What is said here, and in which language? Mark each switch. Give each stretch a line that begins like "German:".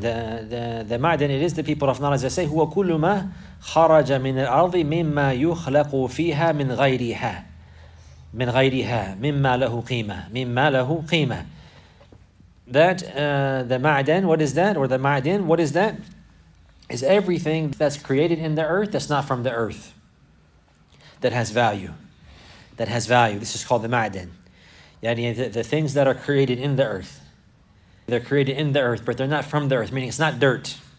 English: The ma'din, it is the people of knowledge. They say,
Arabic: هو كل ما خرج من الأرض مما يخلق فيها من غيرها. من غيرها. مما له قيمة. مما له قيمة.
English: That the ma'din, what is that? Or the ma'din, what is that? Is everything that's created in the earth that's not from the earth that has value. This is called the ma'din. Yani the things that are created in the earth, they're created in the earth, but they're not from the earth, meaning it's not dirt.